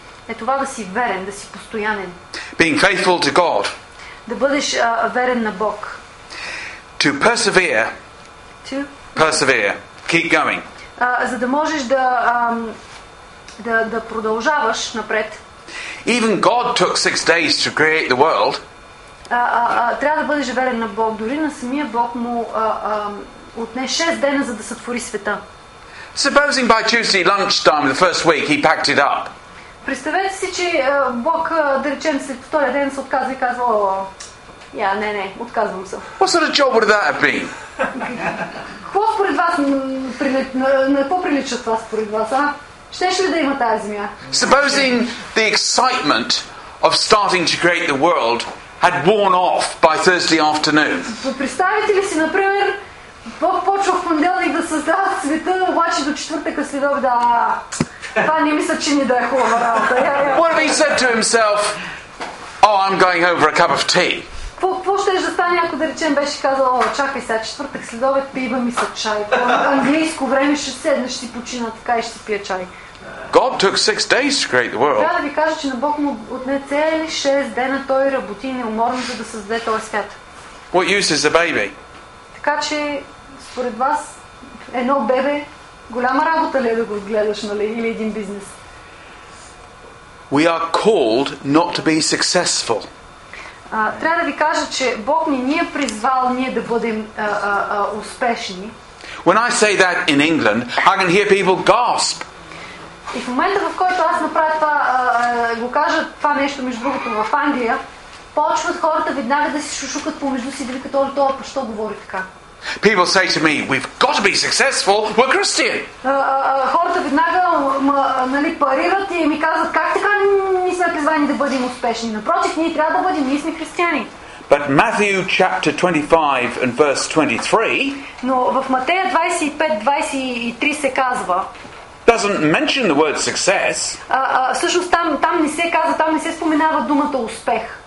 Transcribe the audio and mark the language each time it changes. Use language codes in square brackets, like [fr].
[bg] Е това да си верен, да си постоянен. [en] Being faithful to God. [bg] Да бъдеш верен на Бог. [en] To persevere. To persevere. Keep going. [bg] За да можеш да да продължаваш напред. [en] Even God took 6 days to create the world. [bg] Трябва да бъдеш верен на Бог, дори на самия Бог му отне 6 дена за да сътвори света. [en] Supposing by Tuesday lunchtime the first week he packed it up. [bg] Представете си, че Бог, да речем, след втория ден се отказва и казва: "Я, не, отказвам се." [en] What sort of job would that have been? [bg] Какво според вас, на какво прилича това според вас, а? Щеше ли да има тази земя? [en] Supposing the excitement of starting to create the world had worn off by Thursday afternoon. [bg] Представете ли си, например, Бог почва в понеделник да създава света, обаче до четвъртък следобеда. [en] What if he said to himself, "Oh, I'm going home for a cup of tea"? [bg] Какво ще да стане, ако да речем беше казал: "О, чакай сега, четвъртък следобед пива ми се чай. Английско време ще седна, ще си почина така и ще пия чай." [en] God took 6 days to create the world. [bg] Трябва да ви кажа, че на Бог му отне цели 6 дена, той работи неуморно, за да създаде този свят. [en] What use is a baby? [bg] Така че според вас едно бебе голяма работа ли е да го гледаш, нали, или един бизнес? [en] We are called not to be successful. [bg] Трябва да ви кажа, че Бог ни е призвал ние да бъдем успешни. [en] When I say that in England, I can hear people gasp. [bg] И в момента, в който аз направя това, го кажа това нещо между другото в Англия, почват хората веднага да се шушукат помежду си, да викат: "О, това, защо говори така?" [en] People say to me, "We've got to be successful. We're Christian." [bg] Хората веднага, нали, парират и ми казват: "Как така ни сме призвани да бъдем успешни? Напротив, ние трябва да бъдем, ние сме християни." [en] But Matthew chapter 25 and verse 23. [bg] Но в Матея 25:23 се казва. [en] Doesn't mention the word success. [bg] Всъщност там не се казва, там не се споменава думата успех.